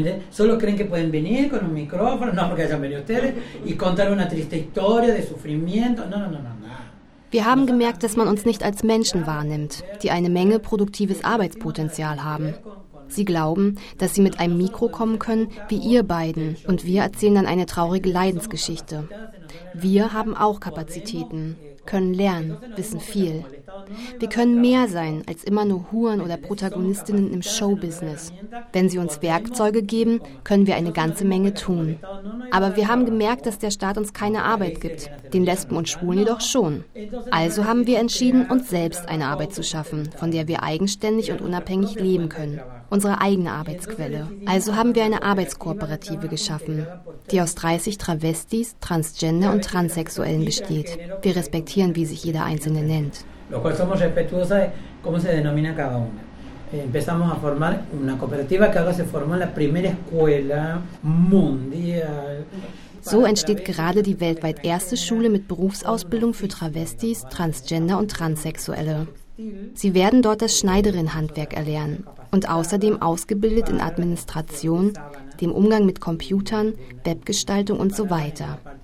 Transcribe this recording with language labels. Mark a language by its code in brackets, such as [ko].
[es] Solo creen que pueden venir con un micrófono, no porque hayan venido ustedes, y contar una triste historia de sufrimiento. No. [de] Wir haben gemerkt, dass man uns nicht als Menschen wahrnimmt, die eine Menge produktives Arbeitspotenzial haben. Sie glauben, dass sie mit einem Mikro kommen können, wie ihr beiden, und wir erzählen dann eine traurige Leidensgeschichte. Wir haben auch Kapazitäten, können lernen, wissen viel. Wir können mehr sein als immer nur Huren oder Protagonistinnen im Showbusiness. Wenn sie uns Werkzeuge geben, können wir eine ganze Menge tun. Aber wir haben gemerkt, dass der Staat uns keine Arbeit gibt, den Lesben und Schwulen jedoch schon. Also haben wir entschieden, uns selbst eine Arbeit zu schaffen, von der wir eigenständig und unabhängig leben können. Unsere eigene Arbeitsquelle. Also haben wir eine Arbeitskooperative geschaffen, die aus 30 Travestis, Transgender und Transsexuellen besteht. Wir respektieren, wie sich jeder Einzelne nennt. [es] Lo cual somos respetuosos de cómo se denomina cada una. Empezamos a formar una cooperativa que ahora se formó en la primera escuela mundial. [de] So entsteht gerade die weltweit erste Schule mit Berufsausbildung für Travestis, Transgender und Transsexuelle. Sie werden dort das Schneiderinnenhandwerk erlernen und außerdem ausgebildet in Administration, dem Umgang mit Computern, Webgestaltung und so weiter.